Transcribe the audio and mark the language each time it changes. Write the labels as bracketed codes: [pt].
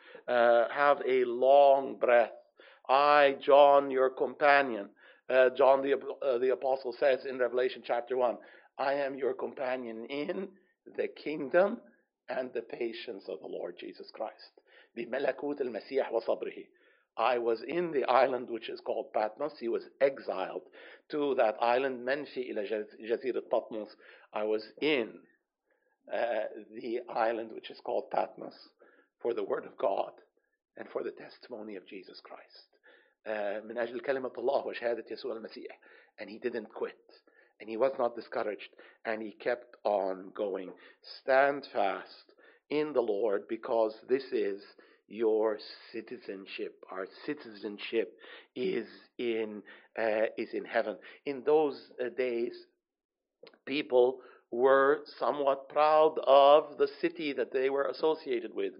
[en] Have a long breath. I, John, your companion, John the Apostle says in Revelation chapter 1, I am your companion in the kingdom and the patience of the Lord Jesus Christ. [ar] بملكوت المسيح وصبره. [en] I was in the island which is called Patmos. He was exiled to that island. [ar] منفي إلى جزيرة Patmos. [en] I was in the island which is called Patmos for the word of God and for the testimony of Jesus Christ. [ar] من أجل كلمة الله وشهادة يسوع المسيح. [en] And he didn't quit. And he was not discouraged. And he kept on going. Stand fast in the Lord, because this is your citizenship. Our citizenship is in heaven. In those days, people were somewhat proud of the city that they were associated with.